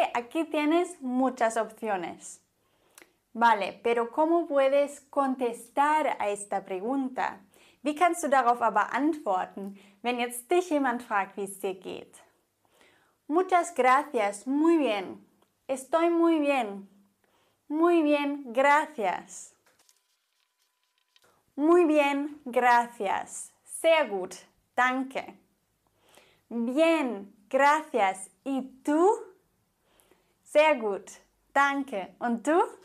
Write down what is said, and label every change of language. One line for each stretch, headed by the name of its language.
Spanish: Aquí tienes muchas opciones. Vale, pero ¿cómo puedes contestar a esta pregunta?
German: Wie kannst du darauf aber antworten, wenn jetzt dich jemand fragt, wie es dir geht?
Spanish: Muchas gracias, muy bien. Estoy muy bien. Muy bien, gracias. Muy bien, gracias.
German: Sehr gut, danke.
Spanish: Bien, gracias. ¿Y tú?
German: Sehr gut, danke. ¿Und
Spanish: tú?